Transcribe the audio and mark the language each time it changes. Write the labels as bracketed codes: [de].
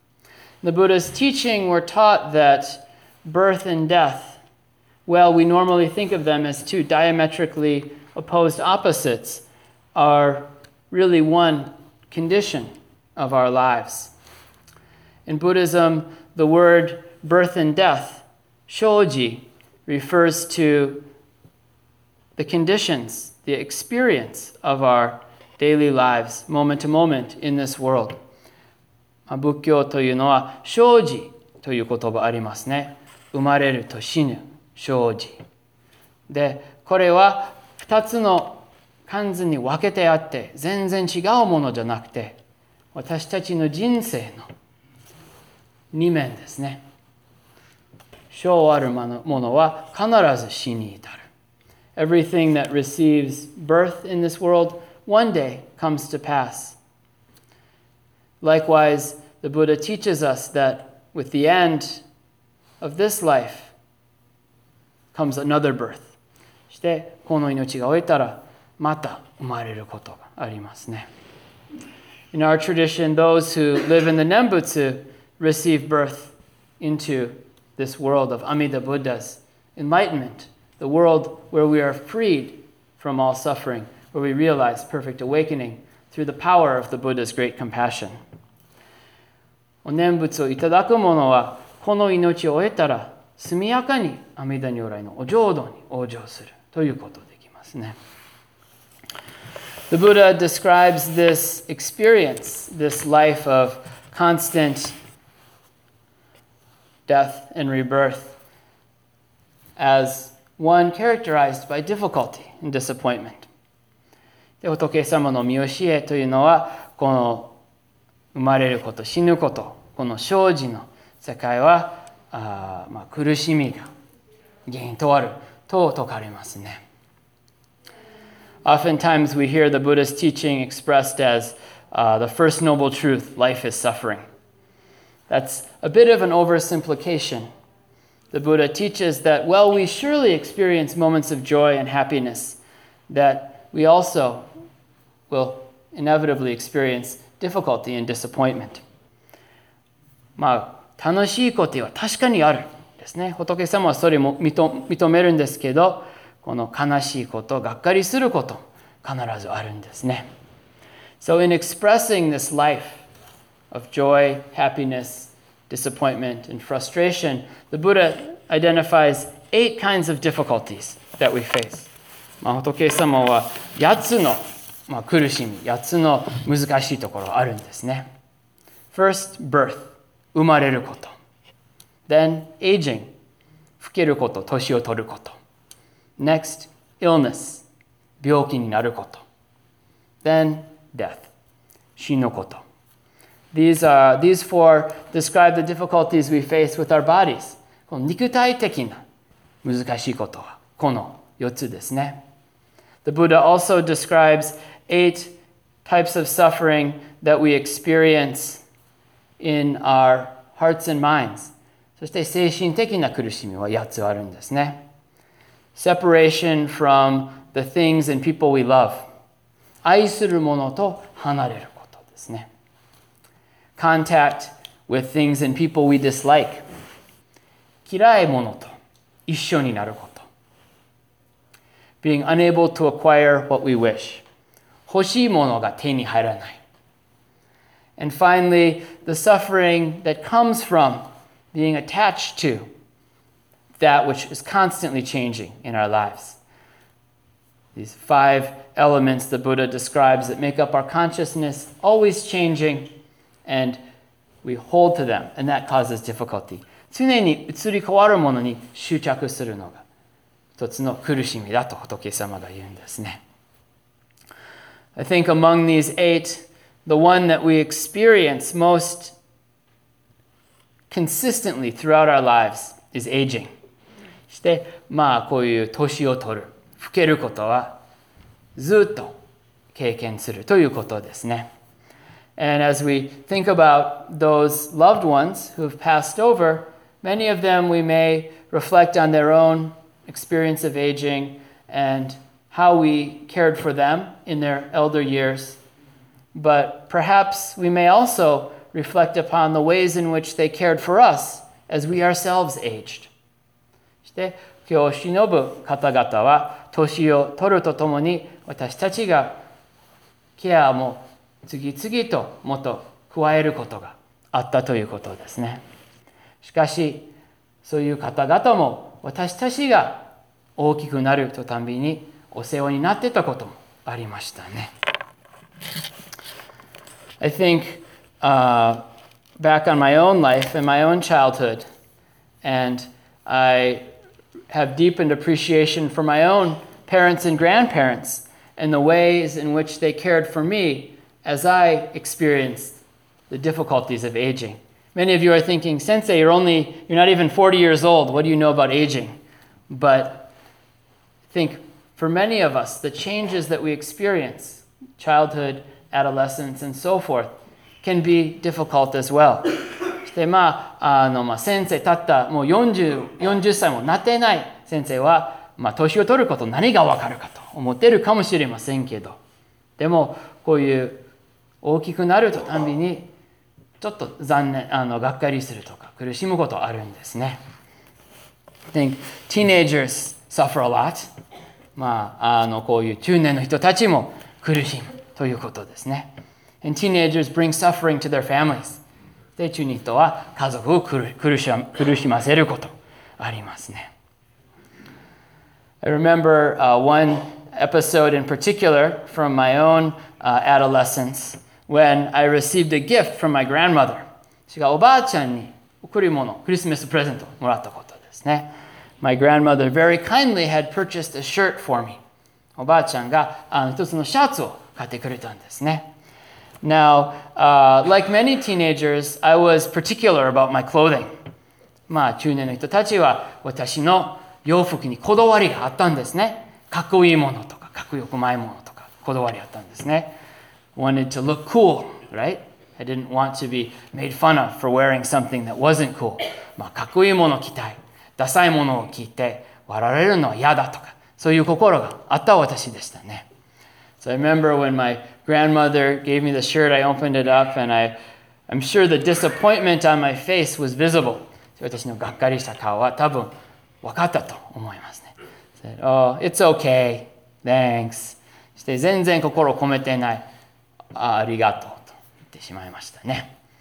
[en] In the Buddha's teaching, we're taught that birth and death, well, we normally think of them as two diametrically opposed opposites, are really one condition of our lives. In Buddhism, the word birth and death, shōji, refers to the conditions, the experience of our daily lives, moment to moment in this world. [ja] 仏教というのは、生死という言葉ありますね。生まれると死ぬ、生死。で、これは二つの漢字に分けてあって、全然違うものじゃなくて、私たちの人生の二面ですね。生あるものは必ず死に至る。 [en] Everything that receives birth in this world one day comes to pass. Likewise, the Buddha teaches us that with the end of this life comes another birth. [ja] そして、この命が終えたらまた生まれることがありますね。 [en] In our tradition, those who live in the Nembutsu receive birth into this world of Amida Buddha's enlightenment. The world where we are freed from all suffering, where we realize perfect awakening through the power of the Buddha's great compassion. [ja] お念仏をいただく者は、この命を終えたら、速やかに阿弥陀如来のお浄土に往生するということができますね。 [en] The Buddha describes this experience, this life of constant death and rebirth, as one characterized by difficulty and disappointment. [ja] で、仏様の御教えというのは、この生まれること、死ぬこと、この生死の世界は苦しみが原因とあると説かれますね。 [en] Oftentimes we hear the Buddhist teaching expressed as the first noble truth, life is suffering. That's a bit of an oversimplification. The Buddha teaches that while we surely experience moments of joy and happiness, that we also will inevitably experience difficulty and disappointment. [ja] まあ、楽しいことは確かにあるですね。仏様はそれも認めるんですけど、この悲しいこと、がっかりすること、必ずあるんですね。 [en] So in expressing this life of joy, happiness, disappointment, and frustration, the Buddha identifies eight kinds of difficulties that we face. [ja] まあ、仏様は8つの、まあ、苦しみ、8つの難しいところがあるんですね。 [en] First, birth, [ja] 生まれること。 [en] Then, aging, [ja] 老けること、年を取ること。 [en] Next, illness, [ja] 病気になること。 [en] Then, death, [ja] 死のこと。 [en] These four describe the difficulties we face with our bodies. [ja] この肉体的な難しいことはこの4つですね。 [en] The Buddha also describes eight types of suffering that we experience in our hearts and minds. [ja] そして精神的な苦しみは8つあるんですね。 [en] Separation from the things and people we love. [ja] 愛するものと離れることですね。 [en] Contact with things and people we dislike. [ja] 嫌いものと一緒になること。 [en] Being unable to acquire what we wish. [ja] 欲しいものが手に入らない。 [en] And finally, the suffering that comes from being attached to that which is constantly changing in our lives. These five elements the Buddha describes that make up our consciousness, always changing, and we hold to them, and that causes difficulty. [ja] 常に移り変わるものに執着するのが一つの苦しみだと仏様が言うんですね。 [en] I think among these eight, the one that we experience most consistently throughout our lives is aging. [ja] して、まあ、こういう年を取る、老けることは、ずっと経験するということですね。 [en] And as we think about those loved ones who have passed over, many of them we may reflect on their own experience of aging and how we cared for them in their elder years. But perhaps we may also reflect upon the ways in which they cared for us as we ourselves aged. [ja] で、今日忍ぶ方々は年を取るとともに私たちがケアも次々ともっと加えることがあったということですね。しかしそういう方々も私たちが大きくなるとたびにお世話になってたこともありましたね。 [en] I think back on my own life and my own childhood, and I have deepened appreciation for my own parents and grandparents and the ways in which they cared for me as I experienced the difficulties of aging. Many of you are thinking, Sensei, you're not even 40 years old. What do you know about aging? But I think for many of us, the changes that we experience, childhood, adolescence, and so forth, can be difficult as well. [ja] でまあ、先生たったもう 40歳もなってない先生は、まあ、年を取ること何が分かるかと思ってるかもしれませんけど、でもこういう大きくなるとたびにちょっと残念、がっかりするとか苦しむことあるんですね。 [en] I think teenagers suffer a lot. [ja] まあ、こういう中年の人たちも苦しむということですね。 [en] And teenagers bring suffering to their families. [ja] で、中二とは家族を苦しませることありますね。 [en] I remember one episode in particular from my own adolescence when I received a gift from my grandmother. [ja] 私がおばあちゃんに贈り物、クリスマスプレゼントをもらったことですね。 [en] My grandmother very kindly had purchased a shirt for me. [ja] おばあちゃんが一つのシャツを買ってくれたんですね。 [en] Now, like many teenagers, I was particular about my clothing. [ja] まあ、中年の人たちは私の洋服にこだわりがあったんですね。かっこいいものとか、かっこよくないものとか、こだわりあったんですね。 [en] Wanted to look cool, right? I didn't want to be made fun of for wearing something that wasn't cool. [ja] まあ、かっこいいものを着たい。ダサいものを着て、笑われるのは嫌だとか、そういう心があった私でしたね。 [en] So I remember when my grandmother gave me the shirt, I opened it up, and I'm sure the disappointment on my face was visible. [ja] 私のがっかりした顔は多分分かったと思いますね。 [en] Said, oh, it's okay, thanks. [ja] して全然心を込めてない、ありがとうと言ってしまいましたね。